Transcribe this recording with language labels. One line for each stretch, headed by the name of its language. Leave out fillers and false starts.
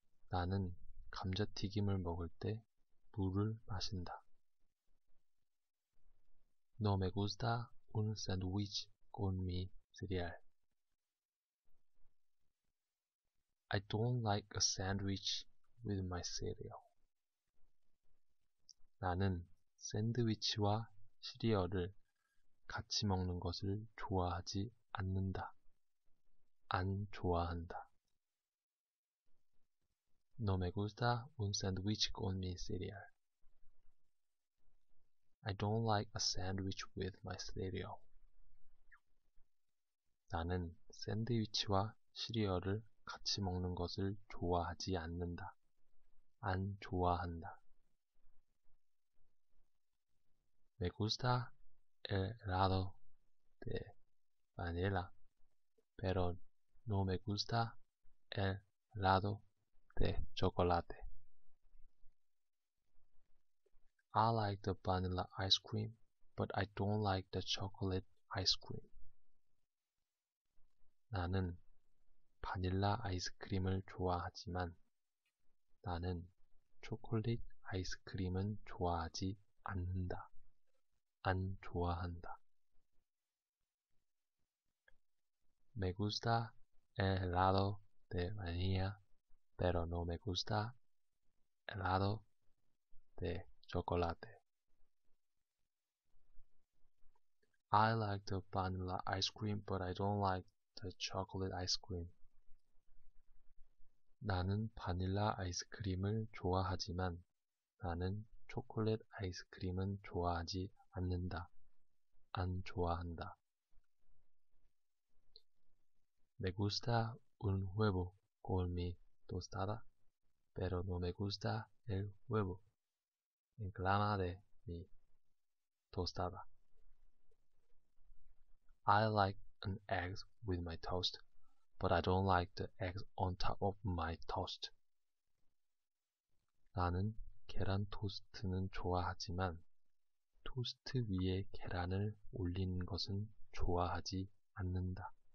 Korean: 나는 감자튀김을 먹을 때 물을 마신다.
Spanish: No me gusta un sandwich con mi cereal.
English: I don't like a sandwich with my cereal.
Korean: 나는 샌드위치와 시리얼을 같이 먹는 것을 좋아하지 않는다. 안 좋아한다.
Spanish: No me gusta un sandwich con mi cereal.
English: I don't like a sandwich with my cereal.
Korean: 나는 샌드위치와 시리얼을 같이 먹는 것을 좋아하지 않는다. 안 좋아한다.
Spanish: Me gusta el helado de vainilla, pero no me gusta el helado de chocolate.
English: I like the vanilla ice cream, but I don't like the chocolate ice cream.
Korean: 나는 바닐라 아이스크림을 좋아하지만 나는 초콜릿 아이스크림은 좋아하지 않는다. 안 좋아한다.
Spanish: Me gusta el helado de vainilla, pero no me gusta helado de chocolate.
English: I like the vanilla ice cream, but I don't like the chocolate ice cream.
Korean: 나는 바닐라 아이스크림을 좋아하지만 나는 초콜릿 아이스크림은 좋아하지 않는다. 안 좋아한다.
Spanish: Me gusta un huevo con mi tostada, pero no me gusta el huevo en clama de mi tostada.
English: I like an egg with my toast, but I don't like the egg on top of my toast.
Korean: 나는 계란 토스트는 좋아하지만 토스트 위에 계란을 올리는 것은 좋아하지 않는다.